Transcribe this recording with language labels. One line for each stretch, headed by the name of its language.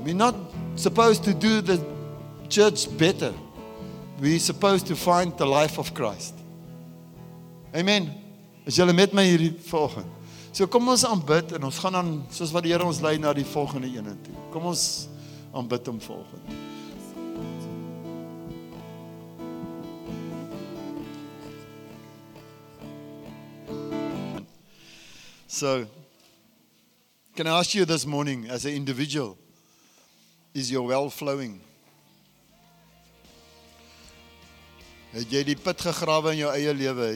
English: We're not supposed to do the church better. We're supposed to find the life of Christ. Amen.
Afrikaans: Is julle met my hierdie volgende? So kom ons aanbid en ons gaan dan, soos wat die Here ons lei, na die volgende ene toe. Kom ons aanbid hom volgende.
English: So, can I ask you this morning, as an individual, is your well flowing?
Afrikaans: Het jy die put gegrawe in jou eie lewe?